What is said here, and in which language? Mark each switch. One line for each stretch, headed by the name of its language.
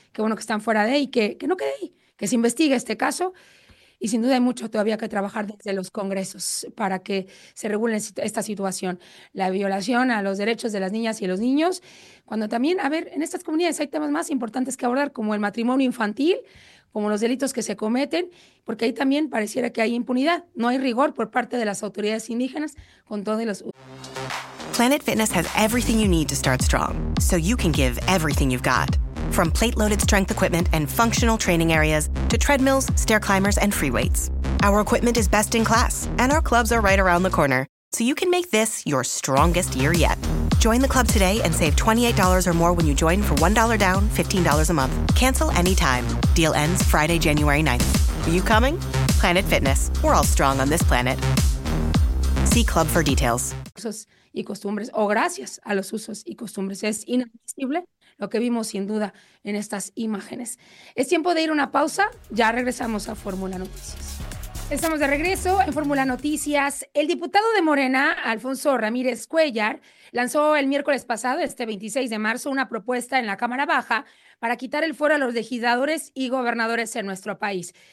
Spanish: Qué bueno que están fuera de ahí, que no quede ahí, que se investigue este caso, y sin duda hay mucho todavía que trabajar desde los congresos para que se regule esta situación, la violación a los derechos de las niñas y los niños, cuando también, a ver, en estas comunidades hay temas más importantes que abordar, como el matrimonio infantil, como los delitos que se cometen, porque ahí también pareciera que hay impunidad, no hay rigor por parte de las autoridades indígenas con todos los...
English: Planet Fitness has everything you need to start strong, so you can give everything you've got. From plate-loaded strength equipment and functional training areas to treadmills, stair climbers, and free weights. Our equipment is best in class, and our clubs are right around the corner, so you can make this your strongest year yet. Join the club today and save $28 or more when you join for $1 down, $15 a month. Cancel anytime. Deal ends Friday, January 9th. Are you coming? Planet Fitness. We're all strong on this planet. See club for details.
Spanish: Usos y costumbres, o gracias a los usos y costumbres. Es inadmisible lo que vimos sin duda en estas imágenes. Es tiempo de ir a una pausa. Ya regresamos a Fórmula Noticias. Estamos de regreso en Fórmula Noticias. El diputado de Morena, Alfonso Ramírez Cuellar, lanzó el miércoles pasado, este 26 de marzo, una propuesta en la Cámara Baja para quitar el fuero a los legisladores y gobernadores en nuestro país.